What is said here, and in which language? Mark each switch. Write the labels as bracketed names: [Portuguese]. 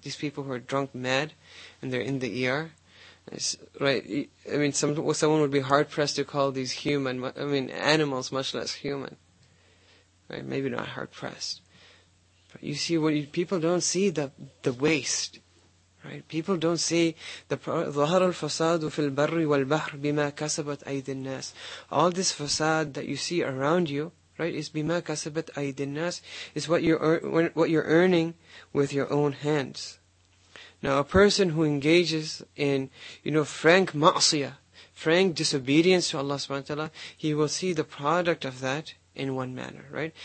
[English] These people who are drunk, mad, and they're in the ER. It's, right? I mean, someone would be hard-pressed to call these human, I mean, animals, much less human. Right? Maybe not hard-pressed. You see, people don't see the waste, right? People don't see the [Arabic] ظهر الفساد في البر والبحر بما كسبت أيدي الناس. [English] All this facade that you see around you, right, is [Arabic] بما كسبت أيدي الناس, [English] is what you're earning with your own hands. Now, a person who engages in, you know, frank ma'asiyah, frank disobedience to Allah subhanahu wa ta'ala, he will see the product of that in one manner, right?